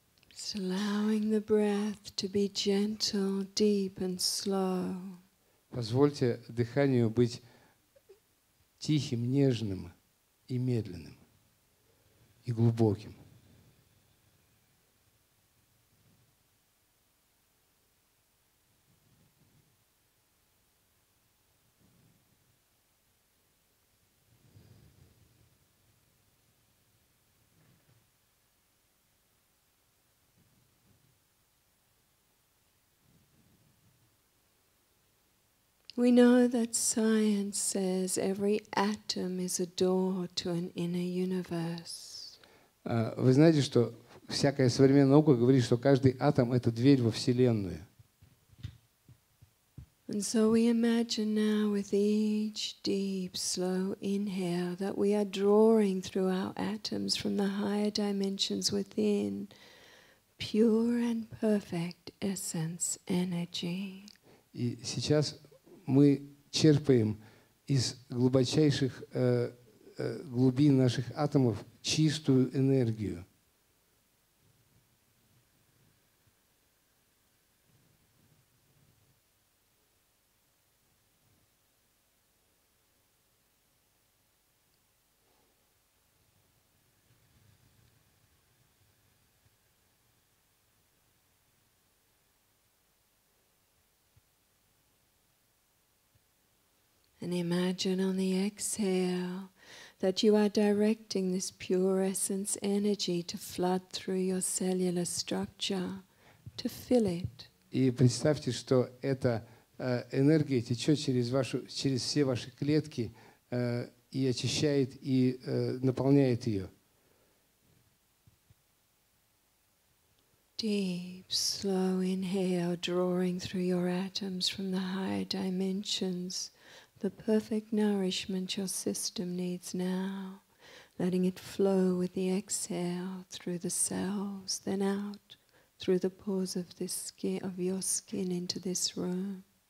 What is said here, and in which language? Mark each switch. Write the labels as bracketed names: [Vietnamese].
[English] Just allowing the breath to be gentle, deep and slow. [Russian] Позвольте дыханию быть тихим, нежным и медленным, и глубоким. [English] We know that science says every atom is a door to an inner universe. [Russian] Вы знаете, что всякая современная наука говорит, что каждый атом — это дверь во Вселенную. [English] And so we imagine now with each deep, slow inhale that we are drawing through our atoms from the higher dimensions within pure and perfect essence energy. [Russian] И сейчас мы черпаем из глубочайших глубин наших атомов чистую энергию. [English] And imagine on the exhale that you are directing this pure essence energy to flood through your cellular structure, to fill it. [Russian] И представьте, что эта энергия течет через вашу, через все ваши клетки и очищает и наполняет ее. [English] Deep, slow inhale, drawing through your atoms from the higher dimensions, the perfect nourishment your system needs now, letting it flow with the exhale through the cells, then out through the pores of this skin, of your skin, into this room.